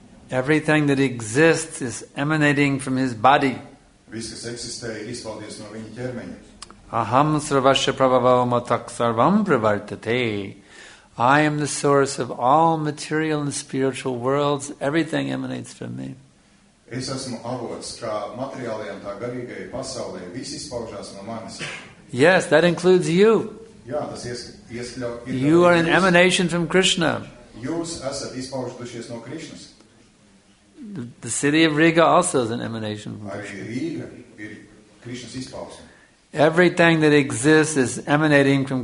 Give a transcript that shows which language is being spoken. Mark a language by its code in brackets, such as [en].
[en] Everything that exists is emanating from his body. [sa] Aham sarvasya prabhavo matak sarvam pravartate. [en] I am the source of all material and spiritual worlds. Everything emanates from me. [lv] Es esmu avots kā materiālajam tā garīgajai pasaulē. Viss izpaužās no manis. [en] Yes, that includes you. [lv] Jā, tas ieskļauj. [en] You are an emanation from Krishna. [lv] Jūs esat izpaužušies no Krishnas. [en] The city of Riga also is an emanation from Krishna. [lv] Arī Rīga ir Krishnas izpausme. [en] Everything that exists is emanating from